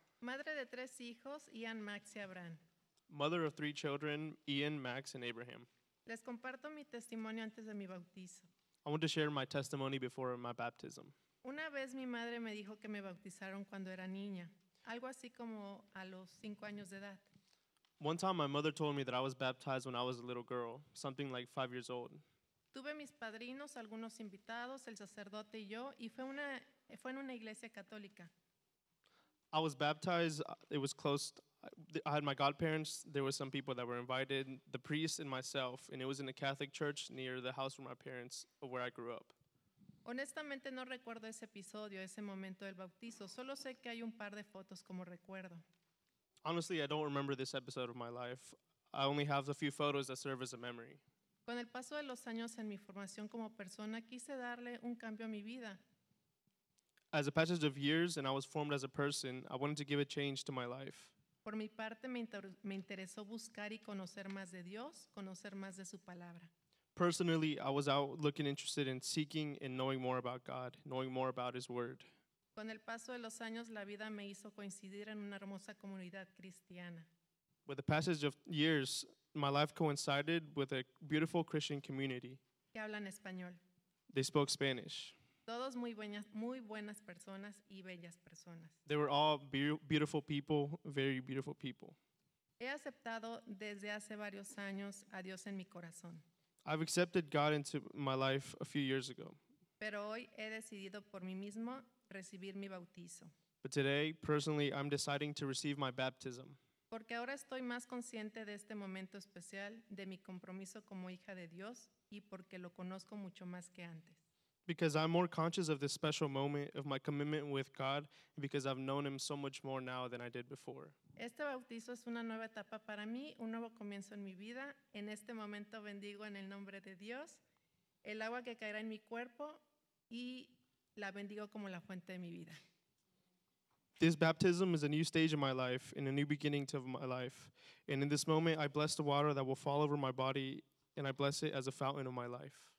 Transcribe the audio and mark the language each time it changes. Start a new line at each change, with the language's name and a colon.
Spanish: Madre de tres hijos, Ian, Max y Abraham.
English: Mother of three children, Ian, Max, and Abraham.
Spanish: Les comparto mi testimonio antes de mi bautizo.
English: I want to share my testimony before my baptism.
Spanish: Una vez mi madre me dijo que me bautizaron cuando era niña, algo así como a los 5 años de edad.
English: One time my mother told me that I was baptized when I was a little girl, something like 5 years old.
Spanish: Tuve mis padrinos, algunos invitados, el sacerdote y yo, y fue en una iglesia católica.
English: I was baptized, it was closed, I had my godparents, there were some people that were invited, the priest and myself, and it was in a Catholic church near the house where my parents, where I grew up.
Spanish: Honestamente no recuerdo ese episodio, ese momento del bautizo, solo sé que hay un par de fotos como recuerdo.
English: Honestly, I don't remember this episode of my life. I only have a few photos that serve as a memory.
Spanish: Con el paso de los años en mi formación como persona, quise darle un cambio a mi vida.
English: As a passage of years and I was formed as a person, I wanted to give a change to my life.
Spanish: Por mi parte, me interesó buscar y conocer más de Dios, conocer más de su palabra.
English: Personally, I was out looking interested in seeking and knowing more about God, knowing more about his word.
Spanish: Con el paso de los años, la vida me hizo coincidir en una hermosa comunidad cristiana.
English: With the passage of years, my life coincided with a beautiful Christian community.
Spanish: Que hablan español.
English: They spoke Spanish.
Spanish: Todos muy buenas personas y bellas personas.
English: They were all beautiful people, very beautiful people.
Spanish: He aceptado desde hace varios años a Dios en mi corazón.
English: I've accepted God into my life a few years ago.
Spanish: Pero hoy he decidido por mí mismo recibir mi bautizo.
English: But today, personally, I'm deciding to receive my baptism.
Spanish: Porque ahora estoy más consciente de este momento especial, de mi compromiso como hija de Dios, y porque lo conozco mucho más que antes.
English: Because I'm more conscious of this special moment, of my commitment with God, because I've known him so much more now than I did before.
Spanish: Este bautizo es una nueva etapa para mí, un nuevo comienzo en mi vida. En este momento bendigo en el nombre de Dios el agua que caerá en mi cuerpo y la bendigo como la fuente de mi vida.
English: This baptism is a new stage in my life and a new beginning to my life. And in this moment, I bless the water that will fall over my body and I bless it as a fountain of my life.